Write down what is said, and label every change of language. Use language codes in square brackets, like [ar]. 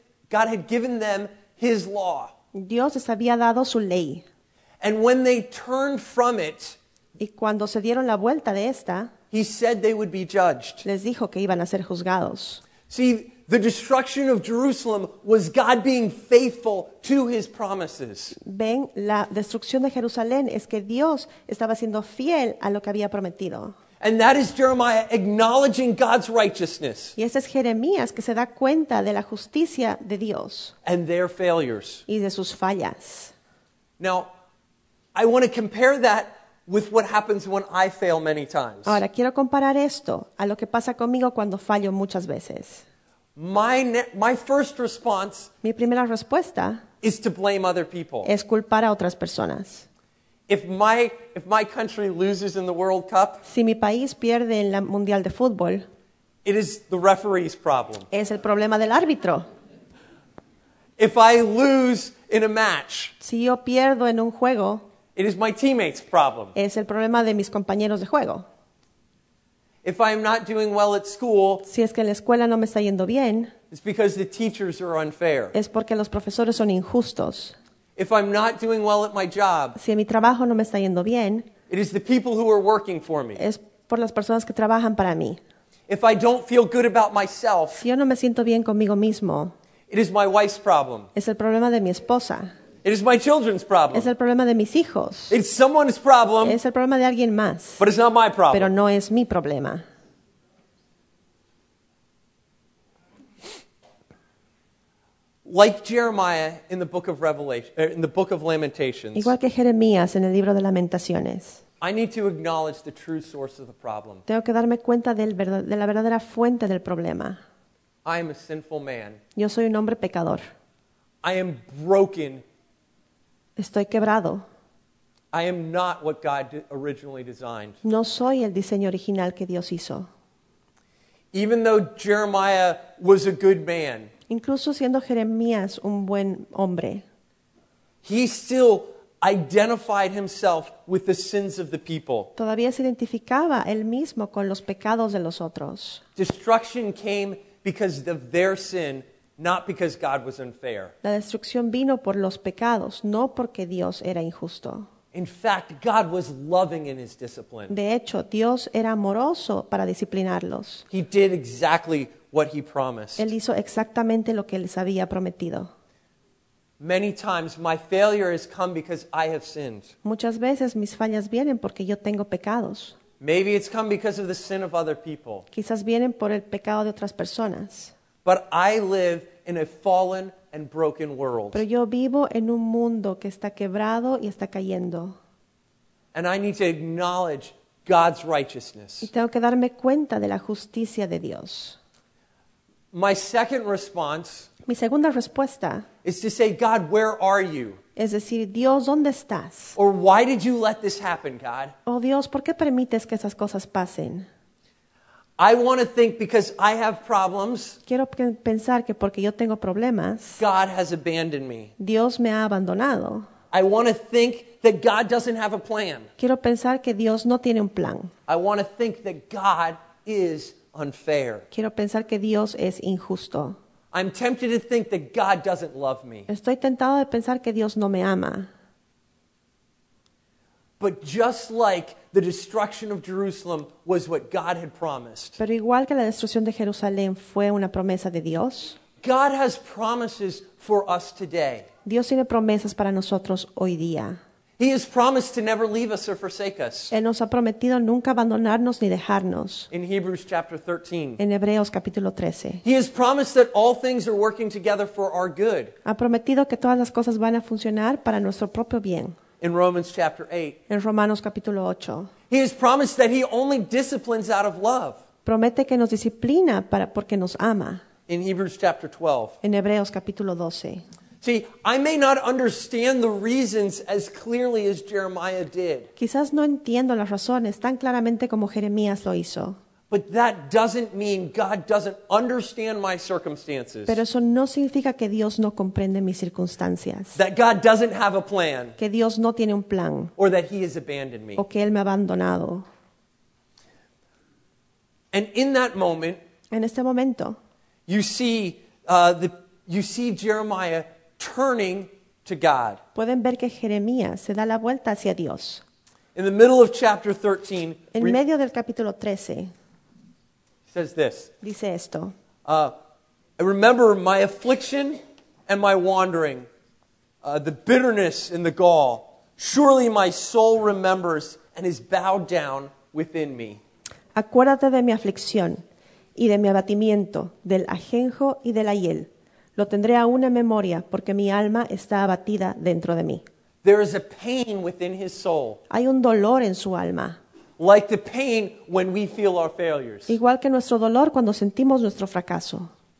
[en] God had given them his law. [es] Dios les había dado su ley. [en] And when they turned from it, [es] y cuando se dieron la vuelta de esta, [en] he said they would be judged. [es] Les dijo que iban a ser juzgados. [en] See, the destruction of Jerusalem was God being faithful to his promises. [es] Ven, la destrucción de Jerusalén es que Dios estaba siendo fiel a lo que había prometido. [en] And that is Jeremiah acknowledging God's righteousness. [es] Y ese es Jeremías que se da cuenta de la justicia de Dios. [en] And their failures. [es] Y de sus fallas. [en] Now, I want to compare that with what happens when I fail many times. [es] Ahora quiero comparar esto a lo que pasa conmigo cuando fallo muchas veces. [en] My first response. [es] Mi primera respuesta. [en] Is to blame other people. [es] Es culpar a otras personas. [en] If my country loses in the World Cup. [es] Si mi país pierde en la Mundial de Fútbol. [en] It is the referee's problem. [es] Es el problema del árbitro. [en] If I lose in a match. [es] Si yo pierdo en un juego. [en] It is my teammate's problem. [es] Es el problema de mis compañeros de juego. [en] If I am not doing well at school. [es] Si es que en la escuela no me está yendo bien. [en] It's because the teachers are unfair. [es] Es porque los profesores son injustos. [en] If I'm not doing well at my job. [es] Si mi trabajo no me está yendo bien. [en] It is the people who are working for me. [es] Es por las personas que trabajan para mí. [en] If I don't feel good about myself. [es] Si yo no me siento bien conmigo mismo. [en] It is my wife's problem. [es] Es el problema de mi esposa. [en] It is my children's problem. [es] Es el problema de mis hijos. [en] It's someone's problem. [es] Es el problema de alguien más. [en] But it's not my problem. [es] Pero no es mi problema. [en] Like Jeremiah in the book of Revelation, in the book of Lamentations. [es] Igual que Jeremías en el libro de Lamentaciones. [en] I need to acknowledge the true source of the problem. [es] Tengo que darme cuenta de la verdadera fuente del problema. [en] I am a sinful man. [es] Yo soy un hombre pecador. [en] I am broken. [es] Estoy quebrado. [en] I am not what God originally designed. [es] No soy el diseño original que Dios hizo. [en] Even though Jeremiah was a good man. [es] Incluso siendo Jeremías un buen hombre. [en] He still identified himself with the sins of the people. [es] Todavía se identificaba él mismo con los pecados de los otros. [en] Destruction came because of their sin, not because God was unfair. [es] La destrucción vino por los pecados, no porque Dios era injusto. [en] In fact, God was loving in his discipline. [es] De hecho, Dios era amoroso para disciplinarlos. [en] He did exactly what he promised. [es] Él hizo exactamente lo que les había prometido. [en] Many times my failure has come because I have sinned. [es] Muchas veces mis fallas vienen porque yo tengo pecados. [en] Maybe it's come because of the sin of other people. [es] Quizás vienen por el pecado de otras personas. [en] But I live in a fallen and broken world. [es] Pero yo vivo en un mundo que está quebrado y está cayendo. [en] And I need to acknowledge God's righteousness. [es] Y tengo que darme cuenta de la justicia de Dios. [en] My second response. [es] Mi segunda respuesta. [en] Is to say, God, where are you? [es] Es decir, Dios, ¿dónde estás? [en] Or why did you let this happen, God? [es] Oh Dios, ¿por qué permites que esas cosas pasen? [en] I want to think because I have problems. [es] Quiero pensar que porque yo tengo problemas. [en] God has abandoned me. [es] Dios me ha abandonado. [en] I want to think that God doesn't have a plan. [es] Quiero pensar que Dios no tiene un plan. [en] I want to think that God is unfair. [es] Quiero pensar que Dios es injusto. [en] I'm tempted to think that God doesn't love me. [es] Estoy tentado de pensar que Dios no me ama. [en] But just like the destruction of Jerusalem was what God had promised. [es] Pero igual que la destrucción de Jerusalén fue una promesa de Dios. [en] God has promises for us today. [es] Dios tiene promesas para nosotros hoy día. [en] He has promised to never leave us or forsake us. [es] Él nos ha prometido nunca abandonarnos ni dejarnos. [en] In Hebrews chapter 13. [es] En Hebreos capítulo 13. [en] He has promised that all things are working together for our good. [es] Ha prometido que todas las cosas van a funcionar para nuestro propio bien. [en] In Romans chapter 8. [es] En Romanos capítulo 8. [en] He has promised that he only disciplines out of love. [es] Promete que nos disciplina para porque nos ama. [en] In Hebrews chapter 12. [es] En Hebreos capítulo 12. [en] See, I may not understand the reasons as clearly as Jeremiah did. [es] Quizás no entiendo las razones tan claramente como Jeremías lo hizo. [en] But that doesn't mean God doesn't understand my circumstances. [es] Pero eso no significa que Dios no comprende mis circunstancias. [en] That God doesn't have a plan. [es] Que Dios no tiene un plan. [en] Or that he has abandoned me. [es] O que él me ha abandonado. [en] And in that moment, [es] en este momento, [en] you see Jeremiah turning to God. [es] Pueden ver que Jeremías se da la vuelta hacia Dios. [en] In the middle of chapter 13, [es] en medio del capítulo 13, [en] says this. [es] Dice esto. [en] I remember my affliction and my wandering, the bitterness and the gall. Surely my soul remembers and is bowed down within me. [es] Acuérdate de mi aflicción y de mi abatimiento, del ajenjo y de la hiel. Lo tendré aún en memoria, porque mi alma está abatida dentro de mí. [en] There is a pain within his soul. [es] Hay un dolor en su alma. [en] Like the pain when we feel our failures. [es] Igual que nuestro dolor cuando sentimos nuestro fracaso.